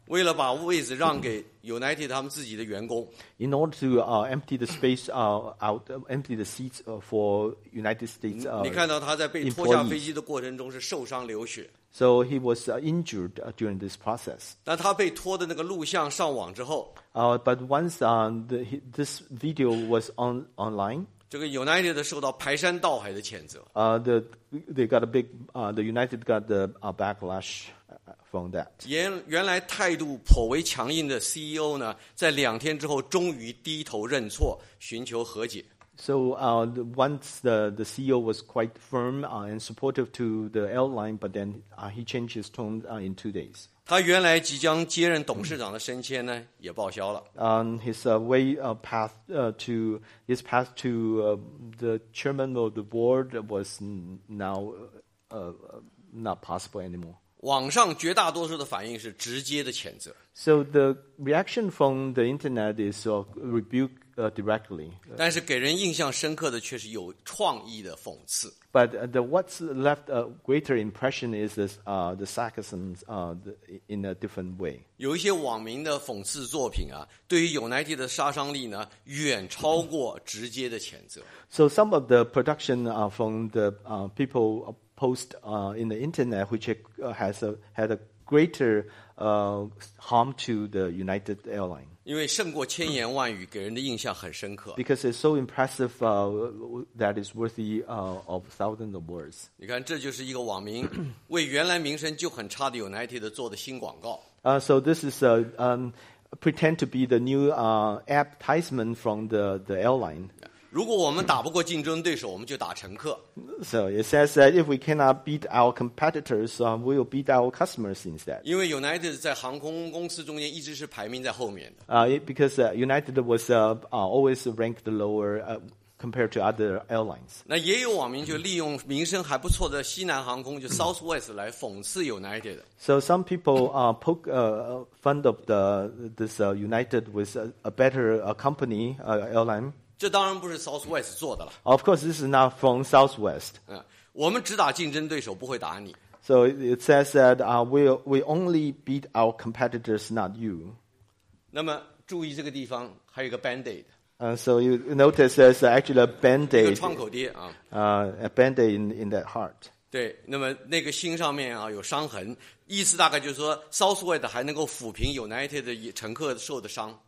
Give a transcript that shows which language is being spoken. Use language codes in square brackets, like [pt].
[zh] 为了把位置让给 United 他们自己的员工。 [en] In order to empty the space out, empty the seats for United States. [zh] 你看到他在被拖下飞机的过程中是受伤流血。 [en] So he was injured during this process. [zh] 但他被拖的那个录像上网之后。 [en] But once this video was online. [zh] 这个 United 受到排山倒海的谴责。 [en] The United got the backlash from that. [zh] 原来态度颇为强硬的 CEO 呢，在两天之后终于低头认错，寻求和解。 [en] So once the CEO was quite firm and supportive to the airline, but then he changed his tone in 2 days. [zh] 他原来即将接任董事长的升迁呢，也报销了。 [en] His path to the chairman of the board was now not possible anymore. [zh] 网上绝大多数的反应是直接的谴责。 [en] So the reaction from the internet is a rebuke. Directly. [zh] 但是给人印象深刻的却是有创意的讽刺。 [en] But what's left a greater impression is this, the sarcasm in a different way. [zh] 有一些网民的讽刺作品啊，对于 United 的杀伤力呢，远超过直接的谴责。 [en] So some of the production from the people post in the internet, which has had a greater harm to the United Airlines. [zh] 因为胜过千言万语，给人的印象很深刻。 [en] Because it's so impressive, that is worthy of thousands of words. [zh] 你看，这就是一个网民为原来名声就很差的 United 做的新广告。 [en] So this is a pretend to be the new advertisement from the airline. [zh] 如果我们打不过竞争对手，我们就打乘客。 [en] So it says that if we cannot beat our competitors, we will beat our customers instead. [zh] 因为 United 在航空公司中间一直是排名在后面的。 [en] Because United was always ranked lower compared to other airlines. [zh] 那也有网民就利用名声还不错的西南航空，就 Southwest 来讽刺 United. [en] So some people poke fun of this United with a better company airline. [zh] 这当然不是 Southwest 做的了。 [en] Of course, this is not from Southwest. [zh] 我们只打竞争对手，不会打你。 [en] So it says that we only beat our competitors, not you. [zh] 那么注意这个地方还有一个 Band-Aid. [en] So you notice there's actually a Band-Aid. [zh] 一个创口贴啊。 [en] A Band-Aid in that heart. [zh] 对，那么那个心上面啊有伤痕。意思大概就是说 Southwest 还能够抚平 United 的乘客受的伤。